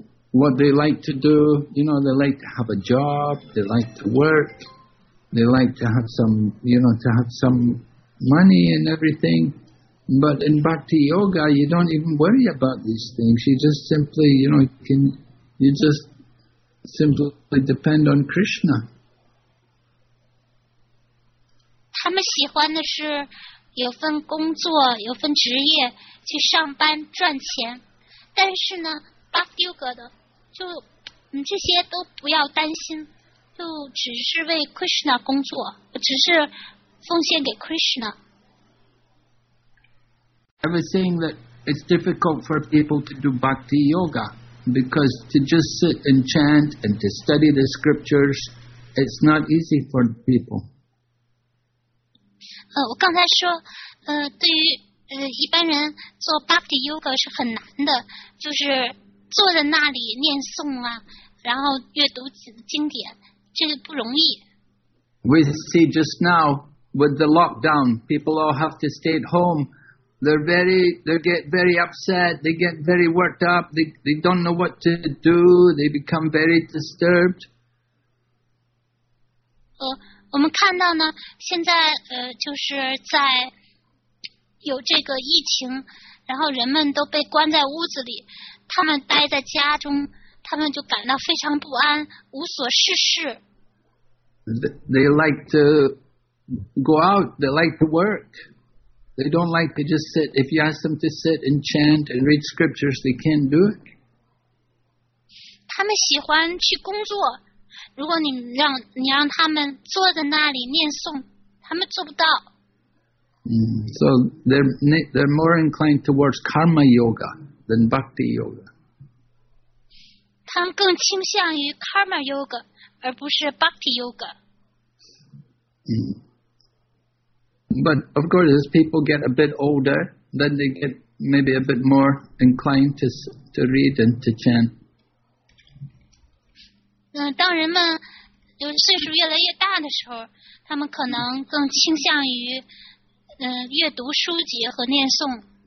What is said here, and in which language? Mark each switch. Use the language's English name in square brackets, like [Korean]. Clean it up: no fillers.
[English] What they like to do, you know, they like to have a job, they like to work, they like to have some, you know, to have some money and everything. But in Bhakti Yoga, you don't even worry about these things. You just simply, you know, you just simply depend on Krishna. [Chinese] 他们喜欢的是有份工作，有份职业，去上班赚钱。但是呢 ，Bhakti Yoga 的，就你这些都不要担心，就只是为 Krishna 工作，只是奉献给 Krishna。 [English] I was saying that it's difficult for people to do bhakti yoga because to just sit and chant and to study the scriptures, it's not easy for people. [Chinese] 我刚才说，对于一般人做 bhakti yoga 是很难的，就是坐在那里念诵啊，然后阅读经典，这个不容易。 [English] We see just now with the lockdown, people all have to stay at home. They get very upset, they get very worked up, they don't know what to do, they become very disturbed. [Chinese] 我们看到呢，现在就是在有这个疫情，然后人们都被关在屋子里，他们待在家中，他们就感到非常不安，无所事事。 [English] They like to go out, they like to work. They don't like to just sit. If you ask them to sit and chant and read scriptures, they can't do it. [Chinese] 他们喜欢去工作。如果你让他们坐在那里念诵，他们做不到。 [English] So they're more inclined towards karma yoga than bhakti yoga. [Chinese] 他们更倾向于 karma yoga 而不是 bhakti yoga. [English] But of course, as people get a bit older, then they get maybe a bit more inclined to read and to chant. [Chinese] 当人们就岁数越来越大的时候，他们可能更倾向于阅读书籍和念诵。